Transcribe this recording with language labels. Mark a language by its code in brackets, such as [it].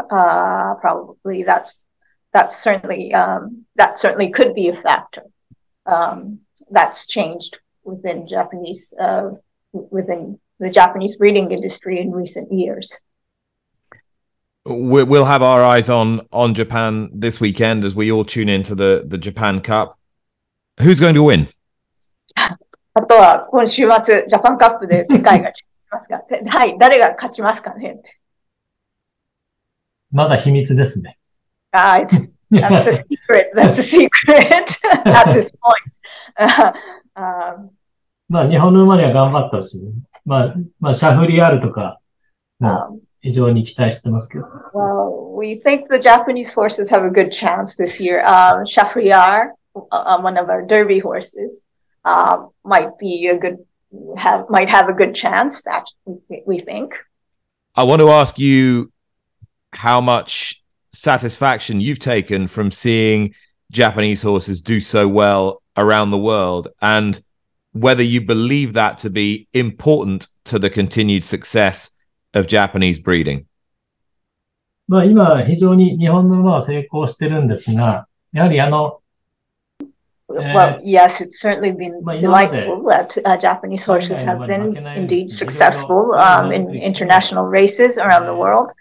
[en] Probably that certainly could be a factor that's changed within the Japanese breeding industry in recent years. We'll have our eyes on Japan this weekend as we all tune into the Japan Cup. Who's going to win? [ja] あとは今週末ジャパンカップで世界が勝ちますか。はい、誰が勝ちますかね。まだ秘密ですね。 [en] That's a secret. That's a secret at this point. [ja] まあ日本の馬には頑張ったし、まあシャフリアールとか。非常に期待してますけど。 [en] Well, we think the Japanese horses have a good chance this year. Shafriar, one of our Derby horses, might have a good chance. We think. I want to ask you how much satisfaction you've taken from seeing Japanese horses do so well around the world, and whether you believe that to be important to the continued success of Japanese breeding. [ja] まあ今非常に日本の馬は成功してるんですが、やはり [en] Well, yes, it's certainly been delightful that Japanese horses have been indeed successful in international races around the world.